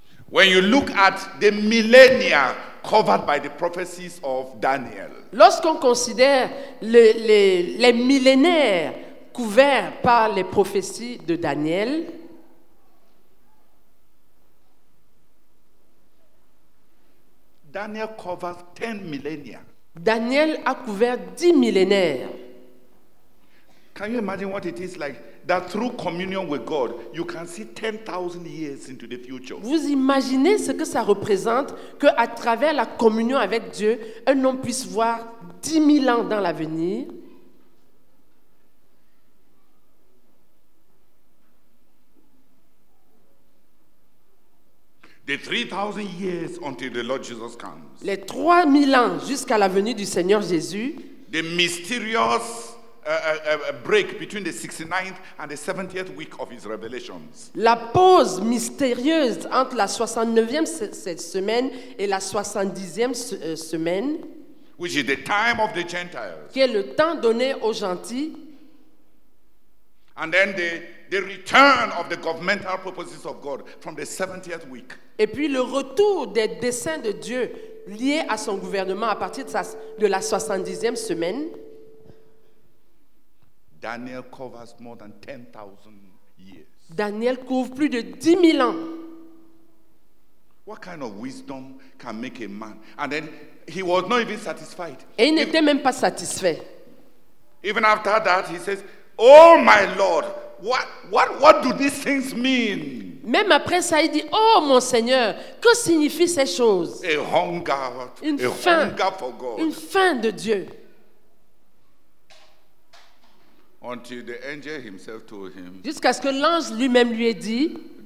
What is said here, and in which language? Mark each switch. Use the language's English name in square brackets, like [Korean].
[English] when you look at the millennia covered by the prophecies of Daniel. [French] Lorsqu'on considère les millénaires couverts par les prophéties de Daniel, [English] Daniel covers 10 millennia. [French] Daniel a couvert 10 millénaires. [English] Can you imagine what it is like that through communion with God, you can see 10,000 years into the future? [French] Vous imaginez ce que ça représente que à travers la communion avec Dieu, un homme puisse voir 10 000 ans dans l'avenir? [English] The 3,000 years until the Lord Jesus comes. [French] Les 3,000 ans jusqu'à la venue du Seigneur Jésus. [English] The mysterious break between the 69th and the 70th week of his revelations. [French] La pause mystérieuse entre la 69e cette semaine et la 70e semaine, [English] which is the time of the Gentiles, [French] qui est le temps donné aux gentils, [English] and then the return of the governmental purposes of God from the 70th week. [French] Et puis le retour des desseins de Dieu liés à son gouvernement à partir de la 70e semaine. [English] Daniel covers more than 10,000 years. [French] Daniel couvre plus de 10 000 ans. [English] What kind of wisdom can make a man? And then he was not even satisfied. [French] Et il n'était même pas satisfait. [English] Even after that, he says, "Oh my Lord, what do these things mean?" [French] Même après ça, il dit, "Oh mon Seigneur, que signifient ces choses?" Une faim de Dieu. [English] Until the angel himself told him, [French] jusqu'à ce que l'ange lui-même lui ait dit,